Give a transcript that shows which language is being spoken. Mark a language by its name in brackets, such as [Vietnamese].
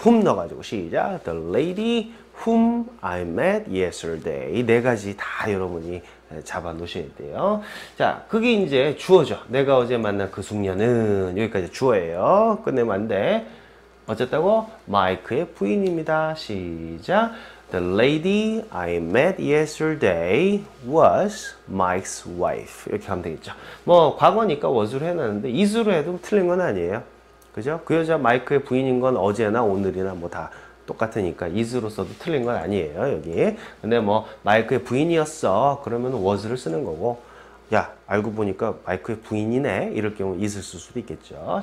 [English] whom [Korean] 넣어가지고 시작. [English] The lady whom I met yesterday. [Korean] 네 가지 다 여러분이 잡아 놓으셔야 돼요. 자, 그게 이제 주어죠. 내가 어제 만난 그 숙녀는 여기까지 주어예요. 끝내면 안 돼. 어쨌다고? 마이크의 부인입니다. 시작. [English] The lady I met yesterday was Mike's wife. [Korean] 이렇게 하면 되겠죠. 뭐 과거니까 was로 해놨는데 is로 해도 틀린 건 아니에요. 그죠? 그 여자 마이크의 부인인 건 어제나 오늘이나 뭐 다 똑같으니까 is로 써도 틀린 건 아니에요. 여기. 근데 뭐 마이크의 부인이었어. 그러면 was를 쓰는 거고 야 알고 보니까 마이크의 부인이네 이럴 경우 있을 수도 있겠죠.